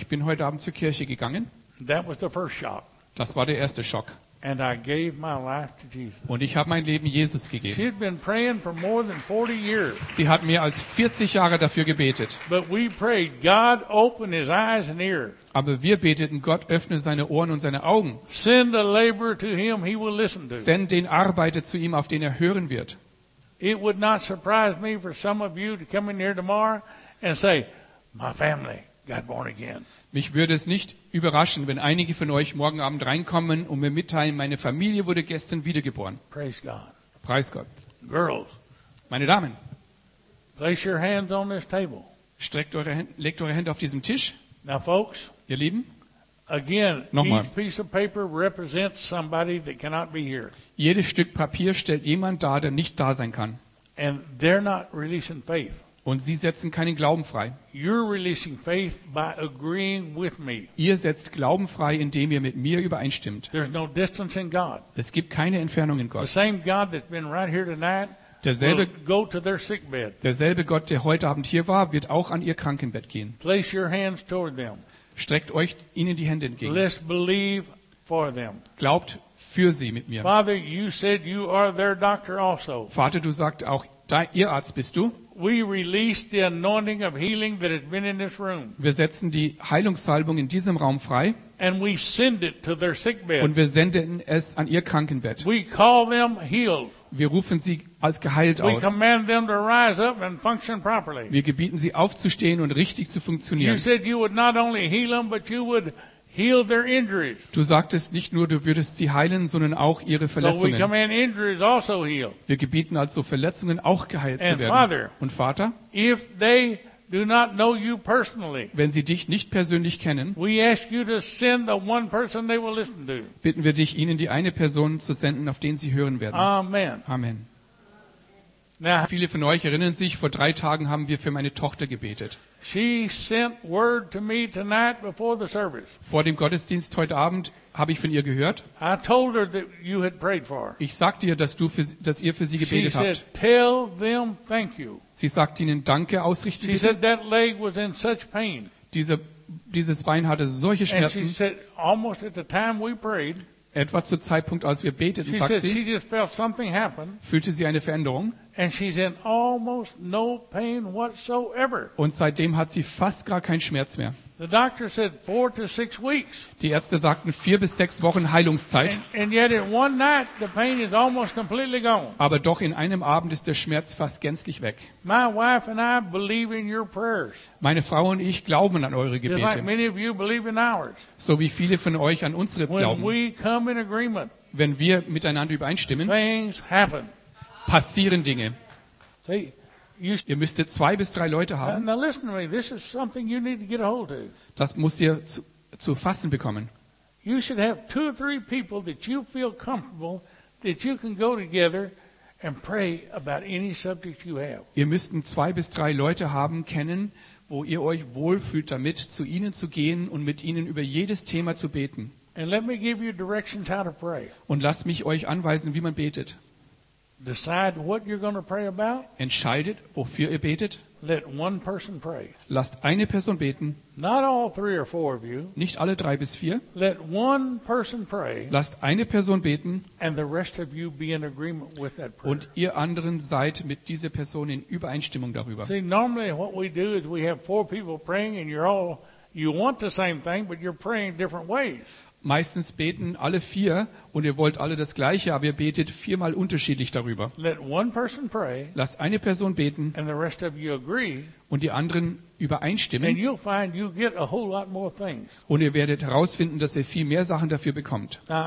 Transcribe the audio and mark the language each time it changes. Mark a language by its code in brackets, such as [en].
[de] Ich bin heute Abend zur Kirche gegangen. [en] That was the first shock. [de] Das war der erste Schock. [en] And I gave my life to Jesus. [de] Und ich habe mein Leben Jesus gegeben. [en] She had been praying for more than 40 years. [de] Sie hat mehr als 40 Jahre dafür gebetet. [en] But we prayed, God open his eyes and ears. [de] Aber wir beteten, Gott öffne seine Ohren und seine Augen. [en] Send a laborer to him he will listen to. [de] Send den Arbeiter zu ihm, auf den er hören wird. [en] It would not surprise me for some of you to come in here tomorrow and say, my family got born again. [de] Mich würde es nicht überraschen, wenn einige von euch morgen Abend reinkommen und mir mitteilen, meine Familie wurde gestern wiedergeboren. [en] Praise God. [de] Preis Gott. [en] Girls. [de] Meine Damen. [en] Place your hands on this table. [de] Streckt eure Hände, legt eure Hände auf diesem Tisch. [en] Now, folks. [de] Ihr Lieben. [en] Again, [de] nochmal. [en] Each piece of paper represents somebody that cannot be here. [de] Jedes Stück Papier stellt jemand dar, der nicht da sein kann. [en] And they're not releasing faith. [de] Und sie setzen keinen Glauben frei. [en] You're releasing faith by agreeing with me. [de] Ihr setzt Glauben frei, indem ihr mit mir übereinstimmt. [en] There's no distance in God. [de] Es gibt keine Entfernung in Gott. [en] The same God that's been right here tonight, [de] derselbe, [en] will go to their sick bed. [de] Derselbe Gott, der heute Abend hier war, wird auch an ihr Krankenbett gehen. [en] Place your hands toward them. [de] Streckt euch ihnen die Hände entgegen. [en] Let's believe for them. [de] Glaubt für sie mit mir. [en] Father, you said you are their doctor also. [de] Vater, du sagst auch, ihr Arzt bist du. [en] we release the anointing of healing that had been in this room. [de] Wir setzen die Heilungssalbung in diesem Raum frei. [en] And we send it to their sick bed. [de] Und wir senden es an ihr Krankenbett. [en] We call them healed. [de] Wir rufen sie als geheilt aus. [en] We command them to rise up and function properly. [de] Wir gebieten sie aufzustehen und richtig zu funktionieren. [en] You said you would not only heal them, but you would heal their injuries. [de] Du sagtest nicht nur, du würdest sie heilen, sondern auch ihre Verletzungen. [en] So we command injuries also healed. [de] Wir gebieten also Verletzungen auch geheilt [en] and [de] zu werden. [en] Father, [de] und Vater, [en] if they do not know you personally, [de] wenn sie dich nicht persönlich kennen, [en] we ask you to send the one person they will listen to. [de] Bitten wir dich, ihnen die eine Person zu senden, auf den sie hören werden. [en] Amen. [de] Amen. Viele von euch erinnern sich, vor 3 Tagen haben wir für meine Tochter gebetet. [en] She sent word to me tonight before the service. [de] Vor dem Gottesdienst heute Abend habe ich von ihr gehört. [en] I told her that you had prayed for her. [de] Ich sagte ihr, dass ihr für sie gebetet habt. [en] She said, "Tell them thank you." [de] Sie sagt ihnen Danke ausrichten. [en] She said that leg was in such pain. [de] Dieses Bein hatte solche Schmerzen. [en] And she said, almost at the time we prayed, [de] etwa zu Zeitpunkt, als wir beteten, [en] she [de] sagt [en] said, [de] sie, [en] she just felt something happen, [de] fühlte sie eine Veränderung. [en] And she's in almost no pain whatsoever. [de] Und seitdem hat sie fast gar keinen Schmerz mehr. [en] The doctor said 4 to 6 weeks. [de] Die Ärzte sagten 4 bis 6 Wochen Heilungszeit. [en] And yet in one night the pain is almost completely gone. [de] Aber doch in einem Abend ist der Schmerz fast gänzlich weg. [en] My wife and I believe in your prayers. [de] Meine Frau und ich glauben an eure Gebete. [en] Just like many of you believe in ours. [de] So wie viele von euch an unsere glauben. [en] When we come in agreement, [de] wenn wir miteinander übereinstimmen, [en] things happen. [de] Passieren Dinge. [en] Hey, [de] ihr müsstet 2 bis 3 Leute haben. [en] Now listen to me. This is something you need to get a hold of. [de] Das müsst ihr zu fassen bekommen. [en] You should have 2 or 3 people that you feel comfortable that you can go together and pray about any subject you have. [de] Ihr müssten 2 bis 3 Leute haben kennen, wo ihr euch wohlfühlt damit, zu ihnen zu gehen und mit ihnen über jedes Thema zu beten. [en] And let me give you directions how to pray. [de] Und lasst mich euch anweisen, wie man betet. [en] Decide what you're going to pray about. [de] Entscheidet, wofür ihr betet. [en] Let one person pray. [de] Lasst eine Person beten. [en] Not all 3 or 4 of you. [de] Nicht alle 3 bis 4. [en] Let one person pray. [de] Lasst eine Person beten. [en] And the rest of you be in agreement with that prayer. [de] Und ihr anderen seid mit dieser Person in Übereinstimmung darüber. [en] See, normally what we do is we have 4 people praying, and you're all you want the same thing, but you're praying different ways. [de] Meistens beten alle 4 und ihr wollt alle das Gleiche, aber ihr betet 4-mal unterschiedlich darüber. [en] Let one person pray, [de] lasst eine Person beten [en] and the rest of you agree, [de] und die anderen übereinstimmen. [en] And you'll find you get a whole lot more things. [de] Und ihr werdet herausfinden, dass ihr viel mehr Sachen dafür bekommt.